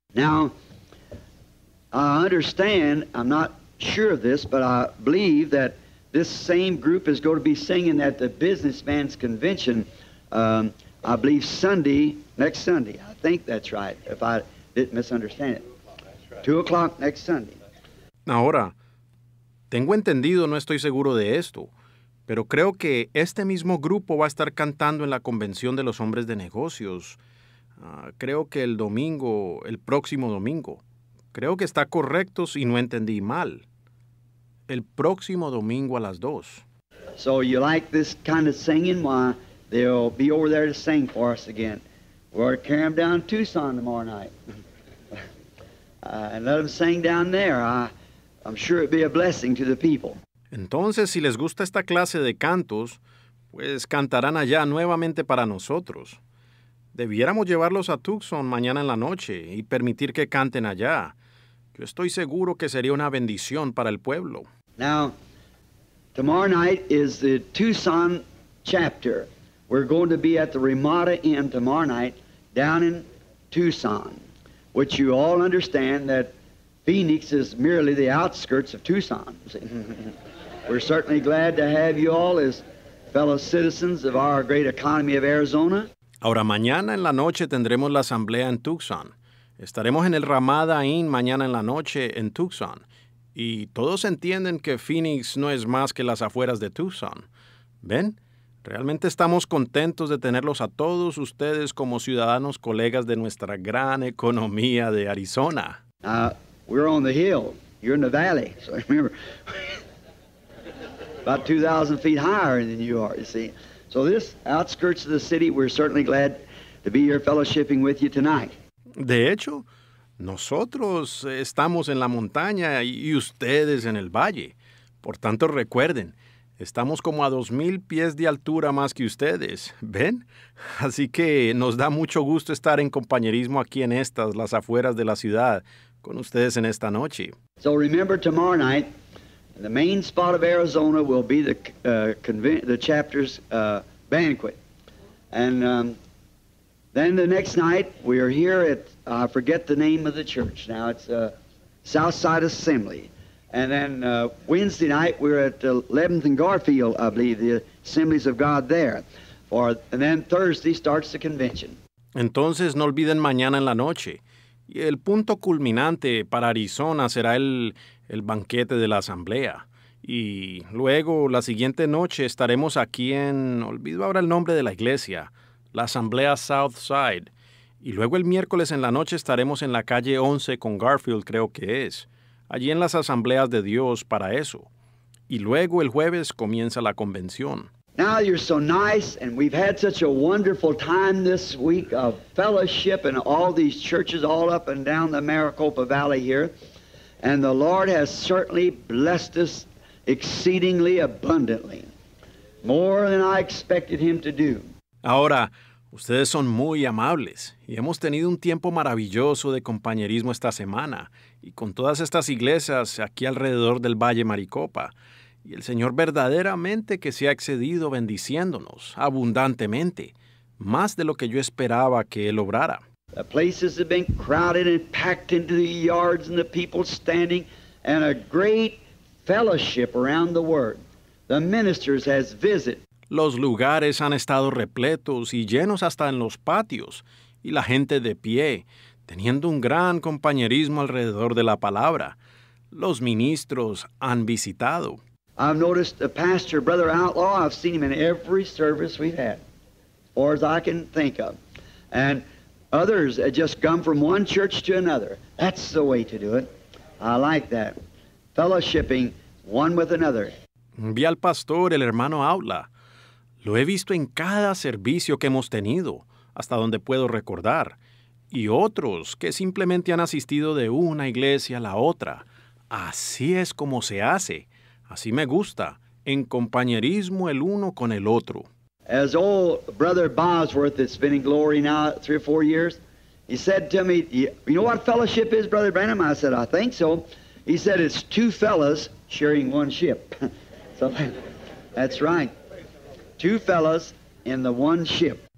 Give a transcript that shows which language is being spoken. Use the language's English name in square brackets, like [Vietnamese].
[English] Now, I understand, I'm not sure of this, but I believe that this same group is going to be singing at the Businessman's Convention, I believe, Sunday, next Sunday. I think that's right, if I didn't misunderstand it. 2 o'clock next Sunday. [Spanish] Ahora, tengo entendido, no estoy seguro de esto, pero creo que este mismo grupo va a estar cantando en la Convención de los Hombres de Negocios. Creo que el domingo, el próximo domingo. Creo que está correcto si no entendí mal. El próximo domingo a las 2. [English] So you like this kind of singing? Why, they'll be over there to sing for us again. We'll carry them down to Tucson tomorrow night. And let them sing down there. I'm sure it'd be a blessing to the people. [Spanish] Entonces, si les gusta esta clase de cantos, pues cantarán allá nuevamente para nosotros. Debiéramos llevarlos a Tucson mañana en la noche y permitir que canten allá. Yo estoy seguro que sería una bendición para el pueblo. [English] Now, tomorrow night is the Tucson chapter. We're going to be at the Ramada Inn tomorrow night down in Tucson, which you all understand that Phoenix is merely the outskirts of Tucson. We're certainly glad to have you all as fellow citizens of our great economy of Arizona. [Spanish] Ahora mañana en la noche tendremos la asamblea en Tucson. Estaremos en el Ramada Inn mañana en la noche en Tucson. Y todos entienden que Phoenix no es más que las afueras de Tucson. ¿Ven? Realmente estamos contentos de tenerlos a todos ustedes como ciudadanos colegas de nuestra gran economía de Arizona. [English] We're on the hill. You're in the valley. So remember, about 2,000 feet higher than you are, you see. So this outskirts of the city, we're certainly glad to be here fellowshipping with you tonight. [Spanish] De hecho, nosotros estamos en la montaña y ustedes en el valle. Por tanto, recuerden, estamos como a 2,000 pies de altura más que ustedes, ¿ven? Así que nos da mucho gusto estar en compañerismo aquí en estas, las afueras de la ciudad, con ustedes en esta noche. [English] So remember, tomorrow night, the main spot of Arizona will be the chapter's banquet. And then the next night, we are here at, I forget the name of the church now, it's Southside Assembly. And then Wednesday night, we're at 11th and Garfield, I believe, the Assemblies of God there. And then Thursday starts the convention. [Spanish] Entonces, no olviden mañana en la noche. Y el punto culminante para Arizona será el banquete de la asamblea. Y luego, la siguiente noche, estaremos aquí en, olvido ahora el nombre de la iglesia, la Asamblea Southside. Y luego el miércoles en la noche estaremos en la calle 11 con Garfield, creo que es. Allí en las asambleas de Dios para eso. Y luego el jueves comienza la convención. [English] Now you're so nice, and we've had such a wonderful time this week of fellowship and all these churches all up and down the Maricopa Valley here. And the Lord has certainly blessed us exceedingly abundantly. More than I expected Him to do. [Spanish] Ahora, ustedes son muy amables, y hemos tenido un tiempo maravilloso de compañerismo esta semana, y con todas estas iglesias aquí alrededor del Valle Maricopa. Y el Señor verdaderamente que se ha excedido bendiciéndonos abundantemente, más de lo que yo esperaba que Él obrara. [English] The places have been crowded and packed into the yards and the people standing, and a great fellowship around the word. The ministers has visited. [Spanish] Los lugares han estado repletos y llenos hasta en los patios, y la gente de pie, teniendo un gran compañerismo alrededor de la palabra. Los ministros han visitado. [English] I've noticed the pastor, Brother Outlaw, I've seen him in every service we've had, or as I can think of. And others have just come from one church to another. That's the way to do it. I like that. Fellowshipping one with another. [Spanish] Vi al pastor, el hermano Outlaw. Lo he visto en cada servicio que hemos tenido, hasta donde puedo recordar. Y otros que simplemente han asistido de una iglesia a la otra. Así es como se hace. Así me gusta, en compañerismo el uno con el otro. [English] As old Brother Bosworth that's been in glory now 3 or 4 years, he said to me, you know what fellowship is, Brother Branham? I said, I think so. He said, it's two fellas sharing one ship. So, that's right. Two fellas in the one ship.